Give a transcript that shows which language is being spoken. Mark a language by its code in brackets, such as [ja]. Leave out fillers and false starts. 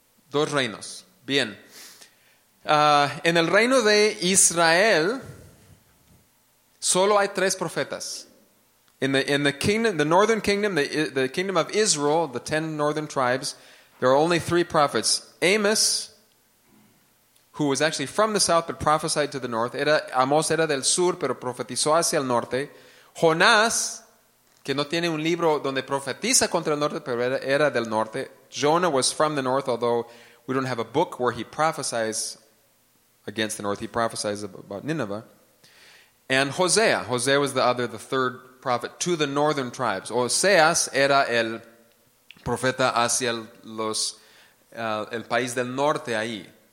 [es] Dos reinos. Bien. En el reino de Israel, solo hay tres profetas. [en] In the kingdom, the northern kingdom, the kingdom of Israel, the 10 northern tribes, there are only three prophets. Amos, who was actually from the south but prophesied to the north. [es] Amos era del sur pero profetizó hacia el norte. Jonás, que no tiene un libro donde profetiza contra el norte pero era del norte. [en] Jonah was from the north, although we don't have a book where he prophesies against the north. He prophesies about Nineveh. And Hosea. Hosea was the third prophet to the northern tribes. [es] Oseas era el profeta hacia el país del norte ahí.